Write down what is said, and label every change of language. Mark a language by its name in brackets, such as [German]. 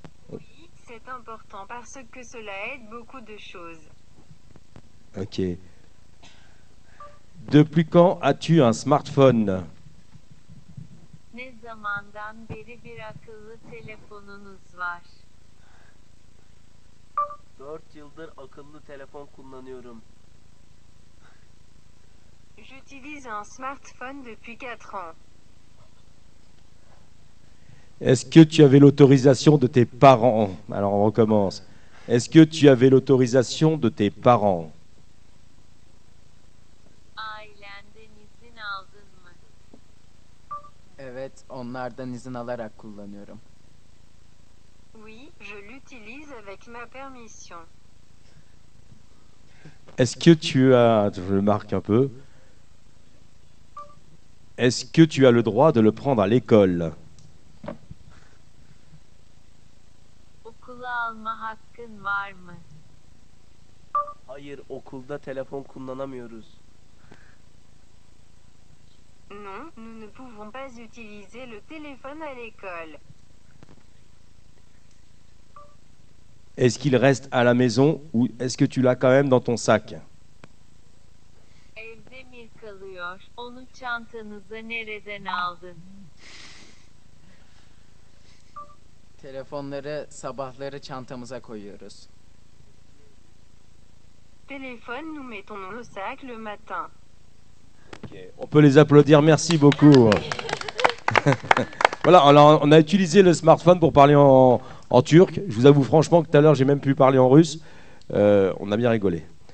[French] Oui, c'est important parce que cela aide beaucoup de choses. Ok. Depuis quand as-tu un smartphone? [Turkish] Ne zamandan beri bir akıllı telefonunuz var? 4 yıldır akıllı telefon kullanıyorum. [French] J'utilise un smartphone depuis 4 ans. Est-ce que tu avais l'autorisation de tes parents? Alors on recommence. Est-ce que tu avais l'autorisation de tes parents? [Turkish] Ailenden izin aldın mı? Evet, onlardan izin alarak kullanıyorum. [French] Oui, je l'utilise avec ma permission. Est-ce que tu as, je le marque un peu, est-ce que tu as le droit de le prendre à l'école? [Turkish] Okula alma hakkın var mı? Hayır, okulda telefon kullanamıyoruz. [French] Non, nous ne pouvons pas utiliser le téléphone à l'école. Est-ce qu'il reste à la maison ou est-ce que tu l'as quand même dans ton sac? [Turkish] Evde mi kalıyor? Onu çantanıza nereden aldın? Telefonları sabahları çantamıza koyuyoruz. [French] Téléphone, nous mettons dans le sac le matin. Okay. On peut les applaudir, merci beaucoup. Voilà, alors on a utilisé le smartphone pour parler en turc. Je vous avoue franchement que tout à l'heure, j'ai même pu parler en russe. On a bien rigolé.